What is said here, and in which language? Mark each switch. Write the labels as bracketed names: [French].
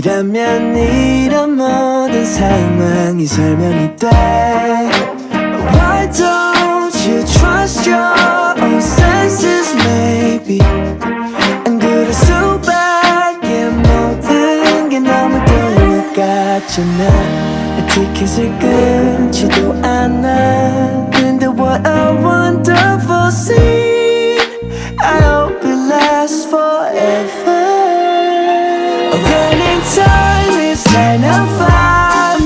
[Korean] 이라면 이런 모든 상황이 설명이 돼. [English] Why don't you trust your own senses maybe? [Korean] 안 그럴 수밖에 모든 게 너무 똑같잖아. 티켓을 끊지도 않아. 근데 [English] what a wonderful scene. I hope it lasts forever. Running time is 9-5.